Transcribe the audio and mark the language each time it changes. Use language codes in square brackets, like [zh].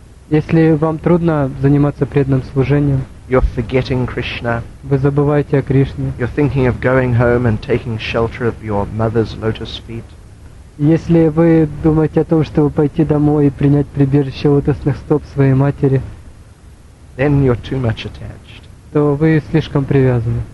[ru] если вам трудно заниматься преданным служением, [en] you're forgetting Krishna, [ru] вы забываете о Кришне, [en] you're thinking of going home and taking shelter of your mother's lotus feet, [ru] если вы думаете о том, чтобы пойти домой и принять прибежище лотосных стоп своей матери, [en] then you're too much attached. [ru] То вы слишком привязаны.